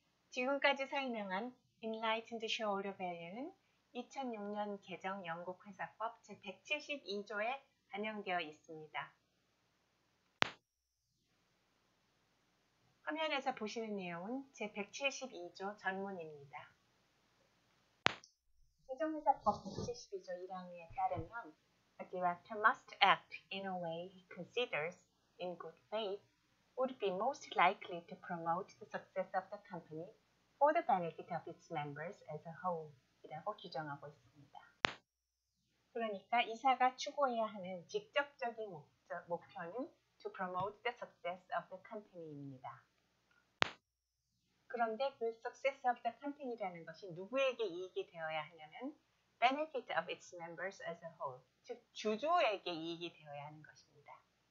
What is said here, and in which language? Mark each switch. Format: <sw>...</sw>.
<ko>지금까지 설명한 Enlightened Shareholder Value는 2006년 개정 영국 회사법 제172조에 반영되어 있습니다. 화면에서 보시는 내용은 제172조 전문입니다. 개정회사법 172조 1항에 따르면</ko> <en>A director must act in a way he considers in good faith would be most likely to promote the success of the company for the benefit of its members as a whole.</en> <ko>라고 규정하고 있습니다. 그러니까 이사가 추구해야 하는 직접적인 목표는</ko> <en>to promote the success of the company입니다.</en> <ko>그런데 그</ko> <en>success of the company</en> <ko>라는 것이 누구에게 이익이 되어야 하냐면</ko> <en>benefit of its members as a whole,</en> <ko>즉 주주에게 이익이 되어야 하는 것입니다.</ko>